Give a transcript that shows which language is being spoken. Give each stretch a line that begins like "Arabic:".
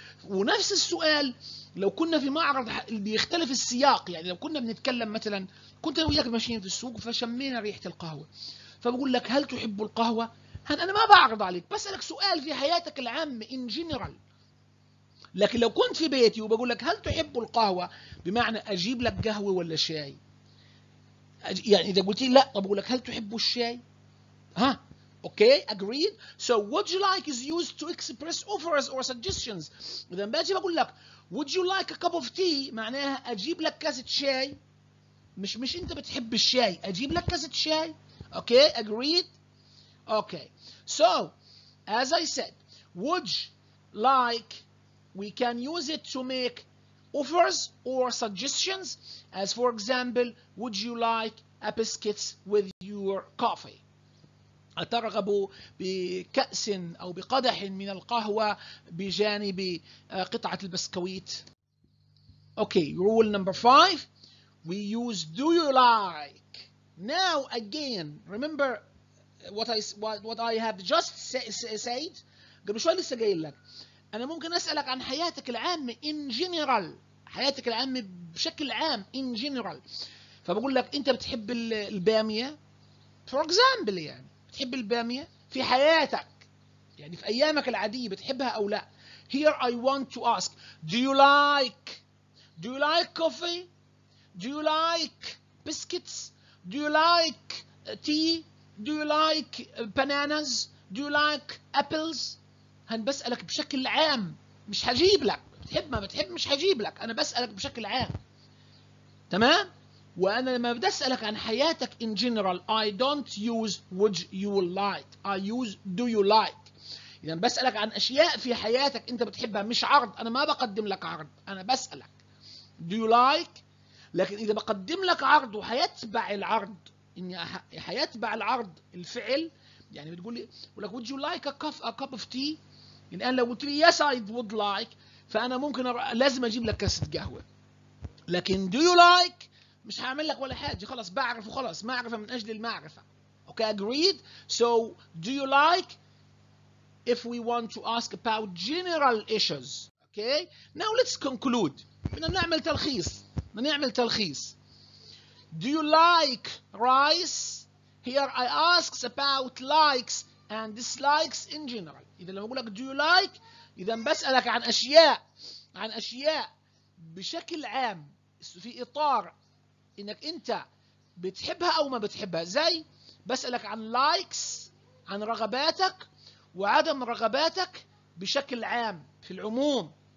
Arabic: ونفس السؤال لو كنا في معرض بيختلف السياق يعني لو كنا بنتكلم مثلا كنت وياك ماشيين في السوق فشمينا ريحة القهوة فبقول لك هل تحب القهوة؟ أنا ما بعرض عليك بسألك سؤال في حياتك العامة in general لكن لو كنت في بيتي وبقول لك هل تحب القهوة بمعنى أجيب لك قهوة ولا شاي يعني إذا قلت لي لا طب أقول لك هل تحب الشاي ها
English: Okay, agreed. So would you like is used to express offers or suggestions.
Arabic: إذا باجي بقول لك would you like a cup of tea معناها أجيب لك كاسة شاي. مش أنت بتحب الشاي، أجيب لك كاسة شاي.
English: Okay, agreed. Okay. So as I said, would like we can use it to make offers or suggestions. As for example, would you like a biscuit with your coffee?
Arabic: أترغب بكأس أو بقدح من القهوة بجانب قطعة البسكويت.
English: Okay, rule number five. We use do you like. Now again, remember what I have just said.
Arabic: قبل شوي لسه قايل لك. أنا ممكن أسألك عن حياتك العامة in general. حياتك العامة بشكل عام in general. فبقول لك أنت بتحب البامية. For example يعني. تحب البامية في حياتك يعني في أيامك العادية بتحبها أو لا.
English: Here I want to ask do you like coffee, do you like biscuits, do you like tea, do you like bananas, do you like apples.
Arabic: هنبسألك بشكل عام، مش هجيب لك بتحب ما بتحب، مش هجيب لك، أنا بسألك بشكل عام تمام. وأنا لما بدي أسألك عن حياتك
English: in general I don't use would you like, I use do you like.
Arabic: إذا بسألك عن أشياء في حياتك أنت بتحبها، مش عرض، أنا ما بقدم لك عرض، أنا بسألك do you like. لكن إذا بقدم لك عرض وحيتبع العرض إني حيتبع العرض الفعل يعني بتقول لي ولك would you like a cup of tea. يعني أنا لو قلت لي
English: yes I would like
Arabic: فأنا ممكن لازم أجيب لك كاسة قهوة. لكن do you like مش هعمل لك ولا حاجة، خلاص بعرف وخلاص، معرفة من أجل المعرفة.
English: Okay, agreed. So, do you like if we want to ask about general issues? Okay, now let's conclude.
Arabic: بدنا نعمل تلخيص.
English: Do you like rice? Here I ask about likes and dislikes in general.
Arabic: إذا لما أقول لك do you like؟ إذا بسألك عن أشياء، بشكل عام في إطار إنك أنت بتحبها أو ما بتحبها، زي بسألك عن likes، عن رغباتك وعدم رغباتك بشكل عام في العموم.